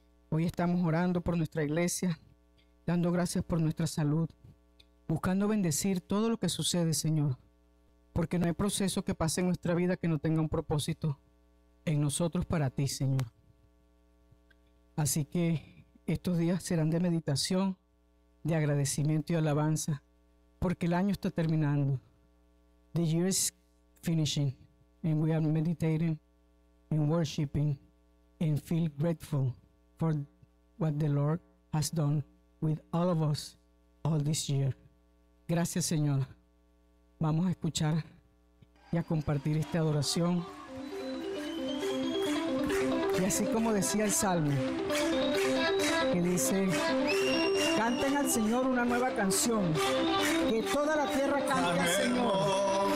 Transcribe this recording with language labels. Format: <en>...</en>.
<es>Hoy estamos orando por nuestra iglesia, dando gracias por nuestra salud, buscando bendecir todo lo que sucede, Señor. Porque no hay proceso que pase en nuestra vida que no tenga un propósito en nosotros para ti, Señor. Así que estos días serán de meditación, de agradecimiento y alabanza, porque el año está terminando.</es> <en>The year is finishing, and we are meditating and worshiping and feel grateful for what the Lord has done with all of us all this year.</en> <es>Gracias, Señor. Vamos a escuchar y a compartir esta adoración. Y así como decía el Salmo, que dice, canten al Señor una nueva canción, que toda la tierra cante al Señor.</es>